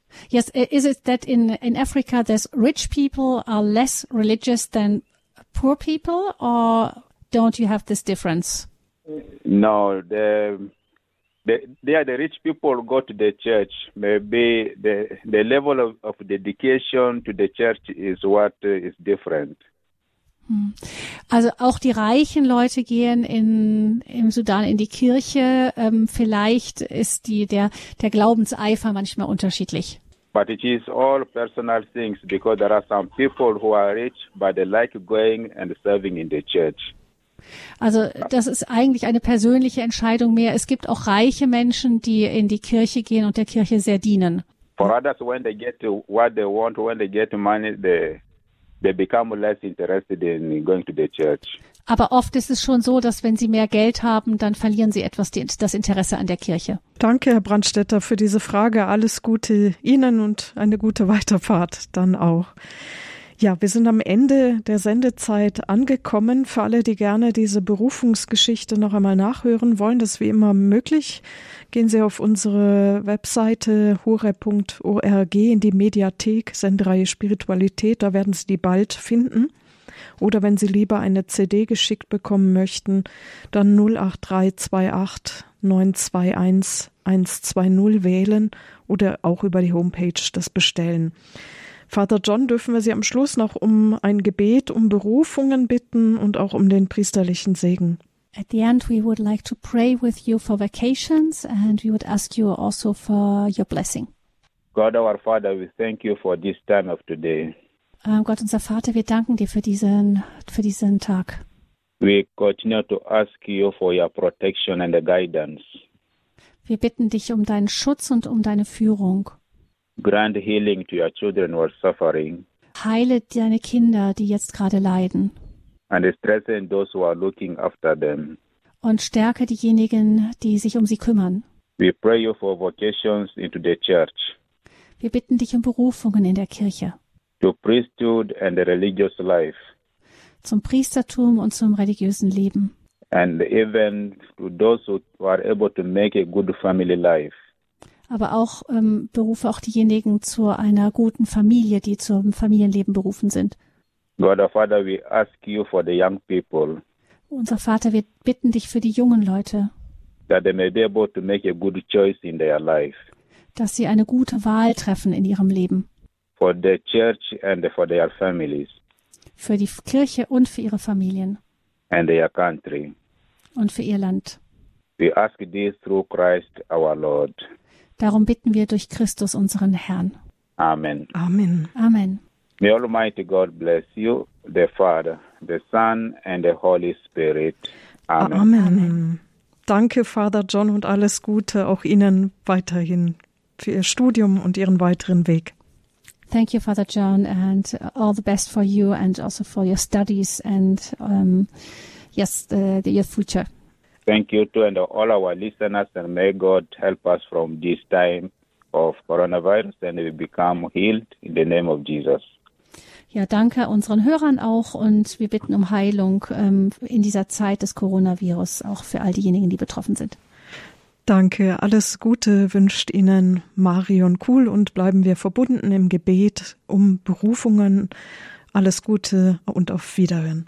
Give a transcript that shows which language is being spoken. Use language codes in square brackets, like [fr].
[en] Yes, is it that in Africa there's rich people are less religious than poor people, or don't you have this difference? No, the rich people go to the church. Maybe the level of dedication to the church is what is different. [de] Also auch die reichen Leute gehen im Sudan in die Kirche. Vielleicht ist der Glaubenseifer manchmal unterschiedlich. [en] But it is all personal things, because there are some people who are rich, but they like going and serving in the church. [de] Also das ist eigentlich eine persönliche Entscheidung mehr. Es gibt auch reiche Menschen, die in die Kirche gehen und der Kirche sehr dienen. [en] For others, when they get what they want, when they get money, they become less interested in going to the church. [de] Aber oft ist es schon so, dass wenn sie mehr Geld haben, dann verlieren sie etwas das Interesse an der Kirche. Danke, Herr Brandstätter, für diese Frage. Alles Gute Ihnen und eine gute Weiterfahrt dann auch. Ja, wir sind am Ende der Sendezeit angekommen. Für alle, die gerne diese Berufungsgeschichte noch einmal nachhören wollen, das ist wie immer möglich. Gehen Sie auf unsere Webseite horeb.org in die Mediathek, Sendereihe Spiritualität, da werden Sie die bald finden. Oder wenn Sie lieber eine CD geschickt bekommen möchten, dann 08328921120 wählen oder auch über die Homepage das bestellen. Vater John, dürfen wir Sie am Schluss noch um ein Gebet, um Berufungen bitten und auch um den priesterlichen Segen? [en] At the end, we would like to pray with you for vacations, and we would ask you also for your blessing. God, our Father, we thank you for this time of today. [de] Gott, unser Vater, wir danken dir für diesen Tag. [en] We continue to ask you for your protection and guidance. [de] Wir bitten dich um deinen Schutz und um deine Führung. [en] Grant healing to your children who are suffering. [de] Heile deine Kinder, die jetzt gerade leiden. [en] And strengthen those who are looking after them. [de] Und stärke diejenigen, die sich um sie kümmern. [en] We pray you for vocations into the church. [de] Wir bitten dich um Berufungen in der Kirche. [en] To priesthood and the religious life. [de] Zum Priestertum und zum religiösen Leben. [en] And even to those who are able to make a good family life. [de] Aber auch berufe auch diejenigen zu einer guten Familie, die zum Familienleben berufen sind. [en] God, our Father, we ask you for the young people. [de] Unser Vater, wir bitten dich für die jungen Leute. [en] That they may be able to make a good choice in their life. [de] Dass sie eine gute Wahl treffen in ihrem Leben. [en] For the church and for their families. [de] Für die Kirche und für ihre Familien. [en] And their country. [de] Und für ihr Land. [en] We ask this through Christ our Lord. [de] Darum bitten wir durch Christus unseren Herrn. Amen. Amen. Amen. [en] May Almighty God bless you, the Father, the Son and the Holy Spirit. Amen. Amen. [de] Danke, Father John, und alles Gute auch Ihnen weiterhin für Ihr Studium und Ihren weiteren Weg. [en] Thank you, Father John, and all the best for you and also for your studies and your future. Thank you too, and all our listeners, and may God help us from this time of coronavirus and we become healed in the name of Jesus. [de] Ja, danke unseren Hörern auch und wir bitten um Heilung in dieser Zeit des Coronavirus, auch für all diejenigen, die betroffen sind. Danke, alles Gute wünscht Ihnen Marion Kuhl und bleiben wir verbunden im Gebet um Berufungen. Alles Gute und auf Wiederhören.